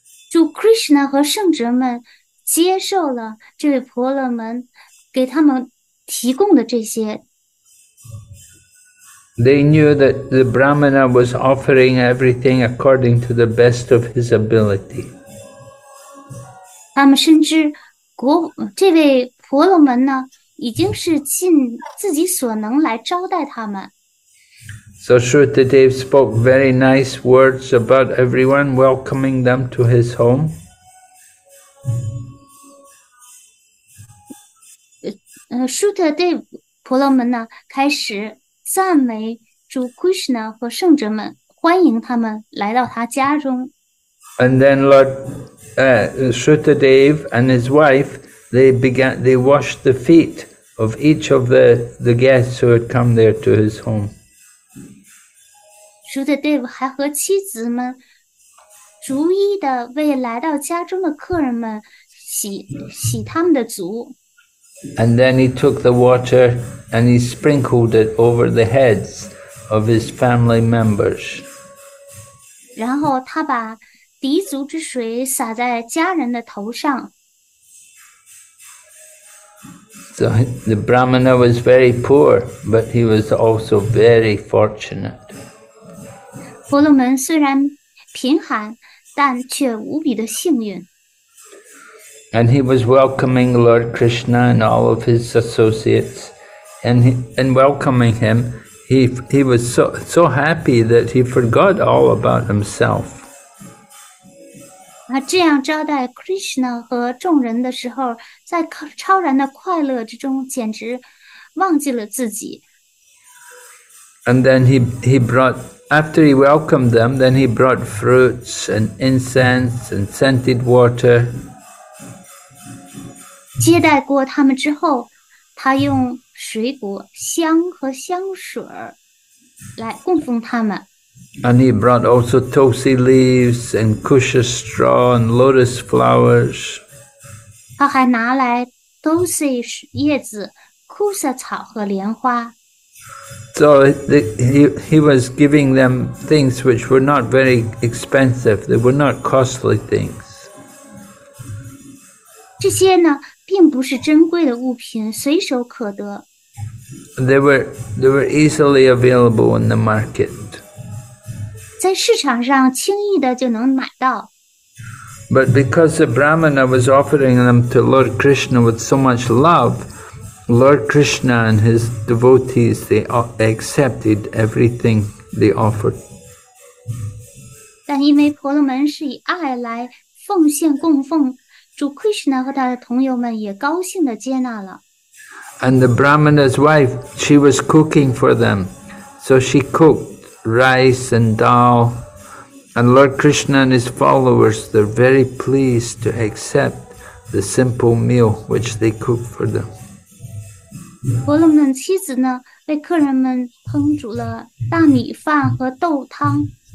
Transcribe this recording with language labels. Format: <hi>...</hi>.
<zh>主 Krishna 和圣哲们接受了这位婆罗门给他们提供的这些。</zh> <en>They knew that the Brahmana was offering everything according to the best of his ability.</en> <zh>他们深知这位婆罗门呢已经是尽自己所能来招待他们。</zh> <en>So Shrutadev spoke very nice words about everyone, welcoming them to his home.</en> <zh>Shrutadev 婆罗门呢开始赞美主 Krishna 和圣者们，欢迎他们来到他家中。</zh> <en>And then Lord Shrutadev and his wife, they washed the feet. Of each of the guests who had come there to his home.</en> <zh>Shrutadev 还和妻子们逐一的为来到家中的客人们洗他们的足。</zh> <en>And then he took the water and he sprinkled it over the heads of his family members.</en> <zh>然后他把涤足之水洒在家人的头上。</zh> <en>So the Brahmana was very poor, but he was also very fortunate.</en> <zh>婆罗门虽然贫寒，但却无比的幸运。</zh> <en>And he was welcoming Lord Krishna and all of his associates, and welcoming him, he was so happy that he forgot all about himself.</en> <zh>这样招待 Krishna 和众人的时候，在超然的快乐之中，简直忘记了自己。</zh> <en>And then he brought fruits and incense and scented water.</en> <zh>接待过他们之后，他用水果、香和香水来供奉他们。</zh> <en>And he brought also tulsi leaves and kusha straw and lotus flowers.</en> <zh>他还拿来 tulsi 叶子、kusha 草和莲花。</zh> <en>So he was giving them things which were not very expensive. They were not costly things.</en> <zh>这些呢，并不是珍贵的物品，随手可得。</zh> <en>They were easily available in the market.</en> <zh>在市场上轻易的就能买到。</zh> <en>But because the Brahmana was offering them to Lord Krishna with so much love, Lord Krishna and his devotees, they accepted everything they offered.</en> <zh>但因为婆罗门是以爱来奉献供奉，主 Krishna 和他的同友们也高兴地接纳了。</zh> <en>And the Brahmana's wife, she was cooking for them. So she cooked rice and dal. And Lord Krishna and his followers, they're very pleased to accept the simple meal which they cook for them.</en> <zh>婆罗门妻子呢，为客人们烹煮了大米饭和豆汤。</zh>